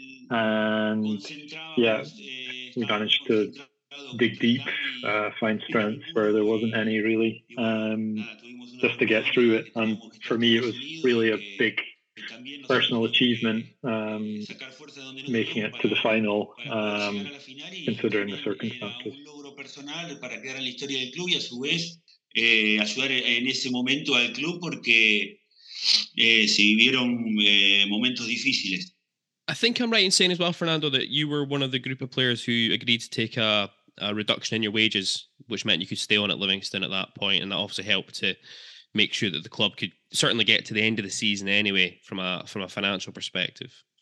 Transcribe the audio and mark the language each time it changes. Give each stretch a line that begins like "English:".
English: And yeah, we managed to dig deep, find strength where there wasn't any really, just to get through it. And for me, it was really a big personal achievement, making it to the final, considering the circumstances.
Spanish: Personal para quedar en la historia del club y a su vez ayudar en ese momento al club porque se vivieron momentos difíciles.
English: I think I'm right in saying as well, Fernando, that you were one of the group of players who agreed to take a reduction in your wages, which meant you could stay on at Livingston at that point, and that obviously helped to make sure that the club could certainly get to the end of the season anyway from a financial perspective.